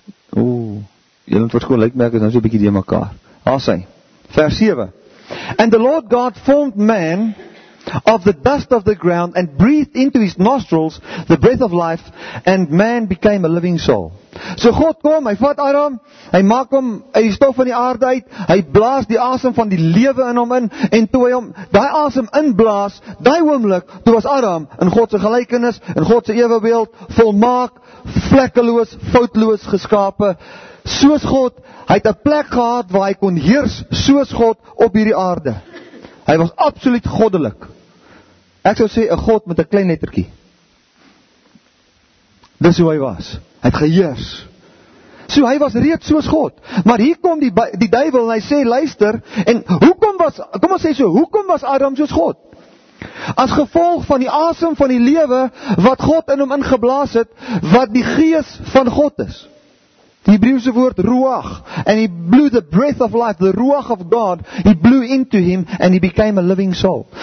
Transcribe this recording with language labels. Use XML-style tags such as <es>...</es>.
<af>Oeh, julle verskoon lykmerk is nou so 'n bietjie die mekaar. Haas hy, vers 7.</af> <en>And the Lord God formed man of the dust of the ground and breathed into his nostrils the breath of life and man became a living soul.</en> <af>So God kom, hy vat Adam, hy maak hom uit die stof van die aarde uit, hy blaas die asem van die lewe in hom in, en toe hy hom die asem inblaas, die oomblik, toe was Adam in God se gelykenis, in God se ewebeeld, volmaak, vlekkeloos, foutloos geskape, soos God, hy het 'n plek gehad waar hy kon heers, soos God, op hierdie aarde. Hy was absoluut goddelik. Ek sou sê, 'n God met 'n klein lettertjie. Dis hoe hy was. Hy het geheers. So hy was reeds soos God. Maar hier kom die duivel en hy sê, luister, en hoekom was Adam soos God? As gevolg van die asem van die lewe, wat God in hom ingeblaas het, wat die gees van God is. Die Hebreeuse woord</af> <en>ruach, and he blew the breath of life, the ruach of God, he blew into him, and he became a living soul.</en>